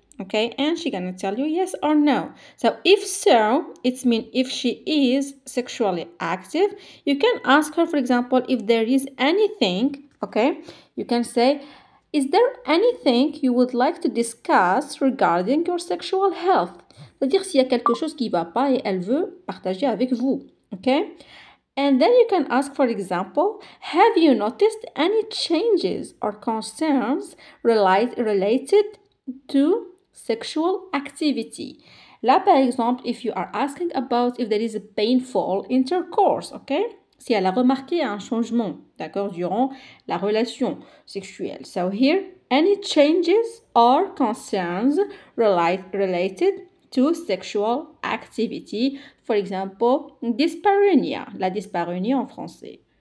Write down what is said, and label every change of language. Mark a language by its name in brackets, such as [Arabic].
[English] Okay, and she's gonna tell you yes or no. So, if so, it means if she is sexually active, you can ask her, for example, if there is anything, okay, you can say, Is there anything you would like to discuss regarding your sexual health? [French] C'est-à-dire s'il y a quelque chose qui ne va pas et elle veut partager avec vous. [English] Okay? And then you can ask, for example, have you noticed any changes or concerns related to sexual activity? [French] Là, par exemple, [English] if you are asking about if there is a painful intercourse, okay? [French] Si elle a remarqué un changement, d'accord, durant la relation sexuelle. [English] So here, any changes or concerns related to sexual activity, for example, dyspareunia, [French] la dyspareunie en français.